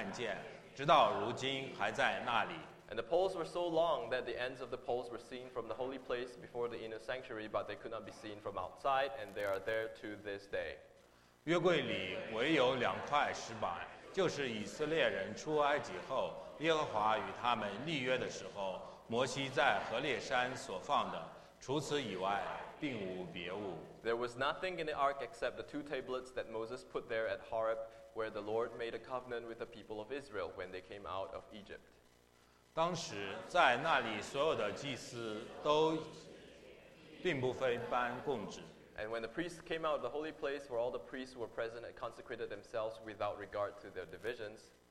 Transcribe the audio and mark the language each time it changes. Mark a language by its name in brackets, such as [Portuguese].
[Chinese] 这杠甚长，杠头在内殿前可以看见，在殿外却不能看见，直到如今还在那里。 [English] And the poles were so long that the ends of the poles were seen from the holy place before the inner sanctuary, but they could not be seen from outside, and they are there to this day. [Chinese] 约柜里唯有两块石板。 [English] There was nothing in the ark except the two tablets that Moses put there at Horeb, where the Lord made a covenant with the people of Israel when they came out of Egypt. [Chinese] 当时在那里所有的祭司都并不分班供职。 [English] And when the priests came out of the holy place where all the priests were present and consecrated themselves without regard to their divisions,